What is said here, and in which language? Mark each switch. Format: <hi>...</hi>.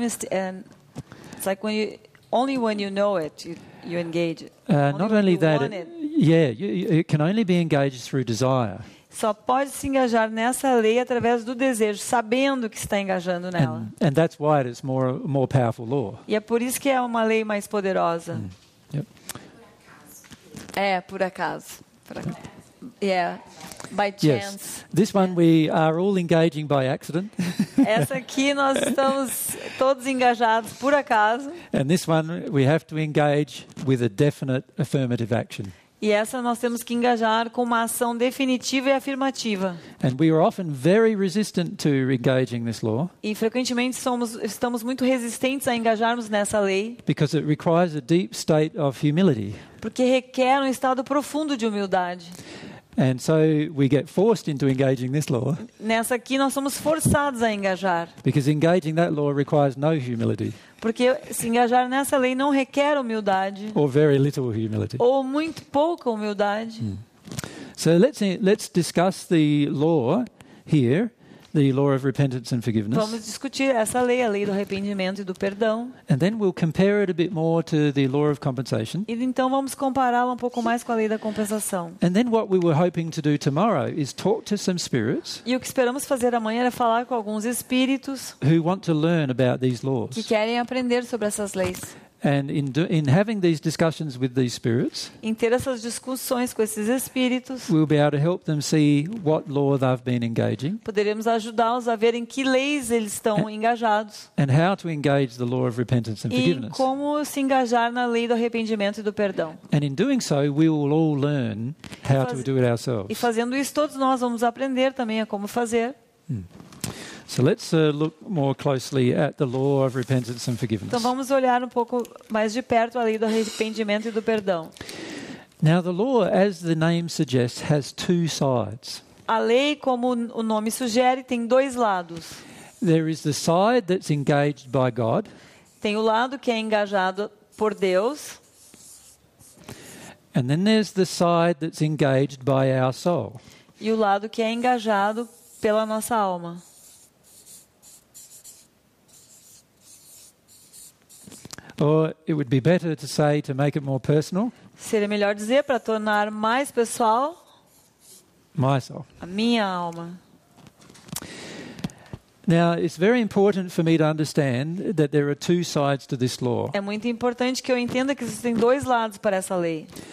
<en>It's like when only when you know it, you engage. Not only that. Yeah, it can only be engaged through desire.</en> <pt>Só pode se engajar nessa lei através do desejo, sabendo que está engajando nela.</pt> <en>And that's why it's more powerful law.</en> <pt>E é por isso que é uma lei mais poderosa.</pt> <en>Yep.</en> <pt>É por acaso.</pt> <en>Yeah, by chance. Yes. This one we are all engaging by accident.</en> <pt>Essa aqui nós estamos todos engajados por acaso.</pt> <en>And this one we have to engage with a definite affirmative action.</en> <pt>E essa nós temos que engajar com uma ação definitiva e afirmativa.</pt> <en>And we are often very resistant to engaging this law.</en> <pt>E frequentemente estamos muito resistentes a engajarmos nessa lei.</pt> <en>Because it requires a deep state of humility.</en> <pt>Porque requer estado profundo de humildade.</pt> <en>And so we get forced into engaging this law.</en> <pt>Nessa aqui nós somos forçados a engajar.</pt> <en>Because engaging that law requires no humility.</en> <pt>Porque se engajar nessa lei não requer humildade.</pt> <en>Or very little humility.</en> <pt>Ou muito pouca humildade.</pt> <en>So let's discuss the law here, the law of repentance and forgiveness.</en> <pt>Vamos discutir essa lei, a lei do arrependimento e do perdão.</pt> <en>And then we'll compare it a bit more to the law of compensation.</en> <pt>E então vamos compará-la um pouco mais com a lei da compensação.</pt> <en>And then what we were hoping to do tomorrow is talk to some spirits.</en> <pt>E o que esperamos fazer amanhã é falar com alguns espíritos</pt> <en>who want to learn about these laws.</en> <pt>Que querem aprender sobre essas leis.</pt> <en>And in having these discussions with these spirits,</en> <pt>em ter essas discussões com esses espíritos,</pt> <en>we'll be able to help them see what law they've been engaging.</en> <pt>Poderemos ajudá-los a ver em que leis eles estão engajados.</pt> <en>And how to engage the law of repentance and forgiveness.</en> <pt>E como se engajar na lei do arrependimento e do perdão.</pt> <en>And in doing so, we will all learn how to do it ourselves.</en> <pt>E fazendo isso, todos nós vamos aprender também a como fazer.</pt> <en>So let's look more closely at the law of repentance and forgiveness.</en> <pt>Então vamos olhar pouco mais de perto a lei do arrependimento e do perdão.</pt> <en>Now the law, as the name suggests, has two sides.</en> <pt>A lei, como o nome sugere, tem dois lados.</pt> <en>There is the side that's engaged by God.</en> <pt>Tem o lado que é engajado por Deus.</pt> <en>And then there's the side that's engaged by our soul.</en> <pt>E o lado que é engajado pela nossa alma.</pt> <en>Or it would be better to say, to make it more personal.</en> <pt>Seria melhor dizer, para tornar mais pessoal,</pt> <en>my soul.</en> <pt>A minha alma.</pt> <en>Now, it's very important for me to understand that there are two sides to this law.</en> <pt>É muito importante que eu entenda que existem dois lados para essa lei.</pt>